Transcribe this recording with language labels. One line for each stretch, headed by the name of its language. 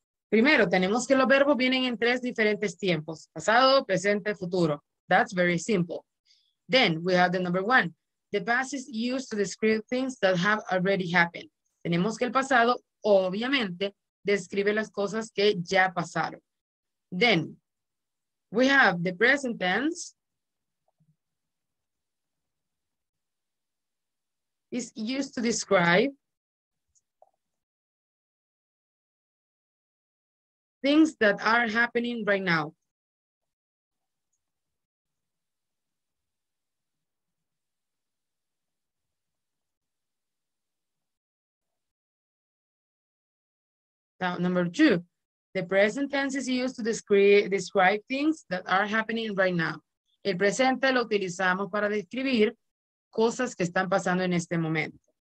Spanish: Primero, tenemos que los verbos vienen en tres diferentes tiempos. Pasado, presente, futuro.
English: That's very simple. Then we have the number one. The past is used to describe things that have already happened.
Spanish: Tenemos que el pasado, obviamente, describe las cosas que ya pasaron.
English: Then we have the present tense. Is used to describe things that are happening right now. Now, number two, the present tense is used to describe things that are happening right now.
Spanish: El presente lo utilizamos para describir cosas que están pasando en este momento.